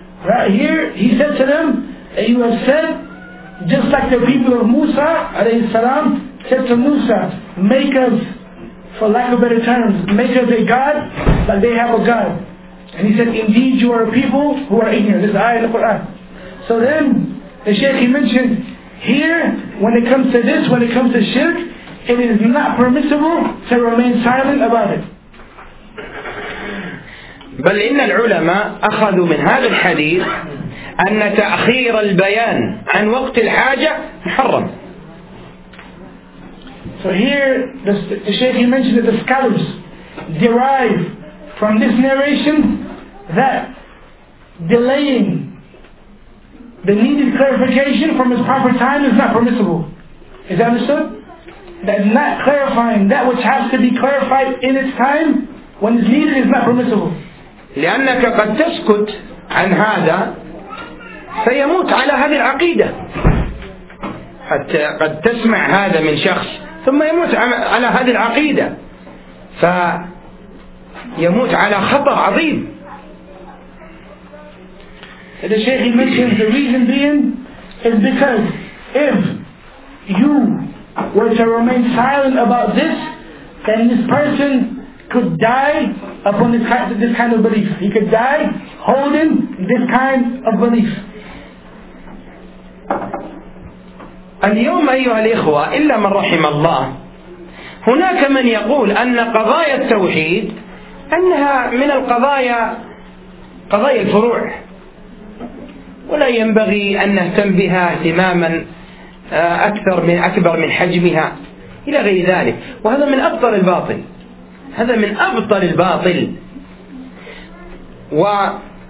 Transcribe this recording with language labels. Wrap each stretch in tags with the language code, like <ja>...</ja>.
<en>Right here, he said to them, and you have said, just like the people of Musa, alayhi salam, said to Musa, make us, for lack of better terms, make us a god, like they have a god. And he said, indeed you are a people who are ignorant. This is the ayah in the Quran. So then, the Shaykh, he mentioned, here, when it comes to this, when it comes to shirk, it is not permissible to remain silent about it.</en> <ar>بل إن العلماء أخذوا من هذا الحديث أن تأخير البيان عن وقت الحاجة محرم.</ar> <en>So here the Shaykh mentioned that the scholars derive from this narration that delaying the needed clarification from its proper time is not permissible. Is that understood? That not clarifying that which has to be clarified in its time when it's needed is not permissible.</en> <ar>لأنك قد تسكت عن هذا سيموت على هذه العقيدة حتى قد تسمع هذا من شخص ثم يموت على هذه العقيدة فيموت على خطر عظيم.</ar> <en>The Shaykh mentions the reason being is because if you were to remain silent about this, then this person could die upon this kind of belief. He could die holding this kind of belief.</en> <ar>اليوم أيها الإخوة إلا من رحم الله هناك من يقول أن قضايا التوحيد أنها من القضايا قضايا الفروع ولا ينبغي أن نهتم بها اهتماما أكبر من حجمها إلى غير ذلك وهذا من أبطل الباطل هذا من أبطل الباطل ومثل</ar>